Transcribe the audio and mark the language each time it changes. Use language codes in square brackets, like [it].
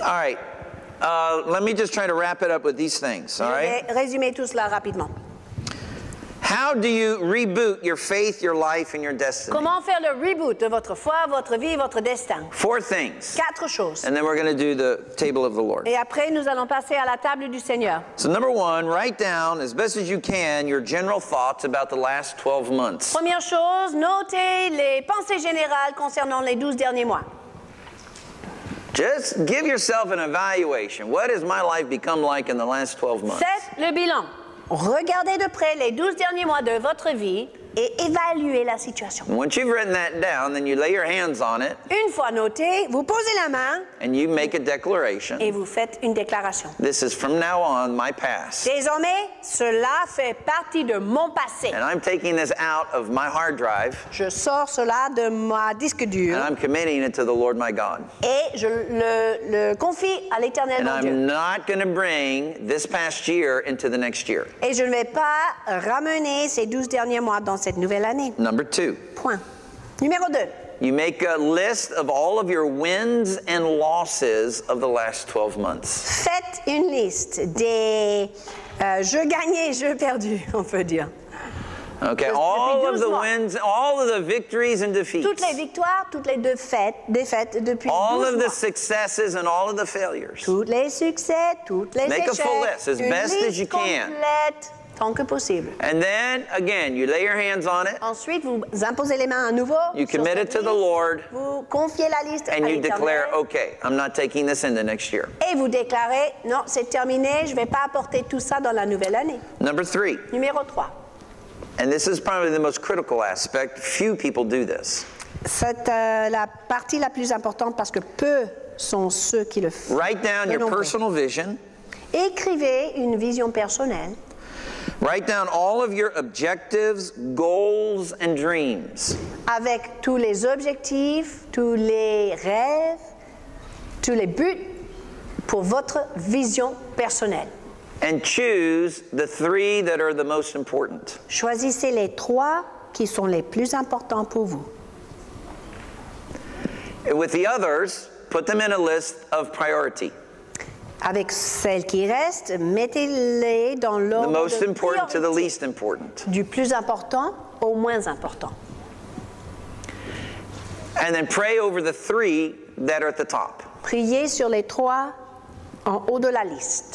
[en] All right. Let me just try to wrap it up with these things, all right? [fr] Je vais résumer tout cela rapidement. [en] How do you reboot your faith, your life, and your destiny? [fr] Comment faire le reboot de votre foi, votre vie, votre destin? [en] 4 things. [fr] 4 choses. [en] And then we're going to do the table of the Lord. [fr] Et après, nous allons passer à la table du Seigneur. [en] So number one, write down as best as you can your general thoughts about the last 12 months. [fr] Première chose, notez les pensées générales concernant les 12 derniers mois. [en] Just give yourself an evaluation. What has my life become like in the last 12 months? [fr] Faites le bilan. Regardez de près les 12 derniers mois de votre vie et évaluez la situation. [en] Once you've written that down, then you lay your hands on it. [fr] Une fois noté, vous posez la main. [en] And you make a declaration. [fr] Et vous faites une déclaration. [en] This is from now on my past. [fr] Désormais, cela fait partie de mon passé. [en] And I'm taking this out of my hard drive. [fr] Je sors cela de ma disque dur. [en] And I'm committing it to the Lord my God. [fr] Et je le confie à l'Éternel mon Dieu. [en] And I'm not going to bring this past year into the next year. [fr] Et je ne vais pas ramener ces 12 derniers mois dans cette nouvelle année. [en] Number two. [fr] Point. Numéro 2. [en] You make a list of all of your wins and losses of the last 12 months. [fr] Faites une liste des je gagnais, je perdu, on peut dire. [en] Okay, all of the wins, all of the victories and defeats. [fr] Toutes les victoires, toutes les défaites depuis 12 mois. [en] All of the successes and all of the failures. [fr] Toutes les succès, toutes les échecs. [en] Make a full list as best as you can. [fr] Une liste complète. Tant que possible. [en] And then, again, you lay your hands on it. [fr] Ensuite, vous imposez les mains à nouveau. [en] You commit it to the Lord. [fr] Vous confiez la liste à l'Éternel. [en] And you declare, okay, I'm not taking this into next year. [fr] Et vous déclarez, non, c'est terminé, je ne vais pas apporter tout ça dans la nouvelle année. [en] Number three. [fr] Numéro 3. [en] And this is probably the most critical aspect. Few people do this. [fr] C'est la partie la plus importante parce que peu sont ceux qui le font. [en] Write down your personal vision. [fr] Écrivez une vision personnelle. [en] Write down all of your objectives, goals, and dreams. [fr] Avec tous les objectifs, tous les rêves, tous les buts pour votre vision personnelle. [en] And choose the three that are the most important. [fr] Choisissez les trois qui sont les plus importants pour vous. [en] With the others, put them in a list of priority. [fr] Avec celles qui restent, mettez-les dans l'ordre [en] the most important to the least important. [fr] Du plus important au moins important. [en] And then pray over the three that are at the top. [fr] Priez sur les trois en haut de la liste.